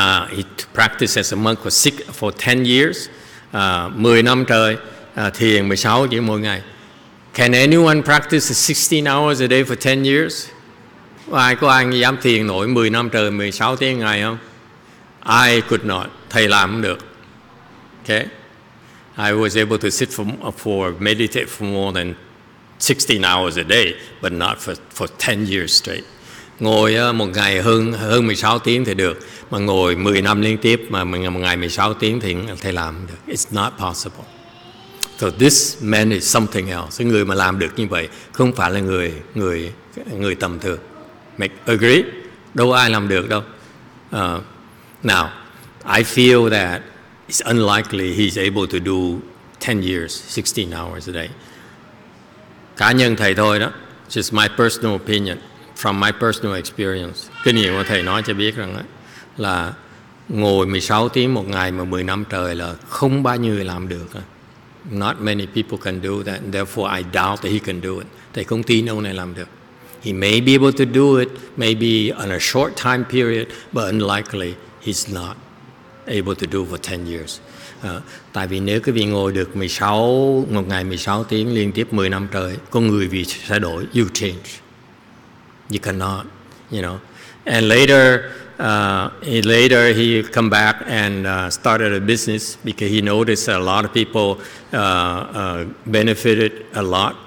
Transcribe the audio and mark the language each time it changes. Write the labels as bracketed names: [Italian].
[English] He practiced as a monk for 10 years. [Vietnamese] 10 năm trời, thiền 16 tiếng mỗi ngày. [English] Can anyone practice 16 hours a day for 10 years? [Vietnamese] Có ai dám thiền nổi 10 năm trời 16 tiếng ngày không? [English] I could not. [Vietnamese] Thầy làm không được. [English] Okay. I was able to sit for meditate for more than 16 hours a day, but not for 10 years straight. [Vietnamese] Ngồi một ngày hơn 16 tiếng thì được, mà ngồi 10 năm liên tiếp mà một ngày 16 tiếng thì thầy làm không được. [English] It's not possible. So this man is something else. [Vietnamese] Người mà làm được như vậy không phải là người tầm thường. [English] Make agree? [Vietnamese] Đâu ai làm được đâu. [English] Now, I feel that it's unlikely he's able to do 10 years, 16 hours a day. [Vietnamese] Cá nhân thầy thôi đó, [English] just my personal opinion, from my personal experience. [Vietnamese] Kinh nghiệm của thầy nói cho biết rằng là ngồi 16 tiếng một ngày mà 10 năm trời là không bao nhiêu người làm được. [English] Not many people can do that, and therefore I doubt that he can do it. [Vietnamese] Thầy không tin ông này làm được. [English] He may be able to do it, maybe on a short time period, but unlikely. He's not able to do for 10 years. [Vietnamese] Tại vì nếu quý vị ngồi được 16, một ngày 16 tiếng liên tiếp 10 năm trời, con người vì sẽ đổi, [English] you change. You cannot. you know. And later, he come back and started a business because he noticed that a lot of people benefited a lot.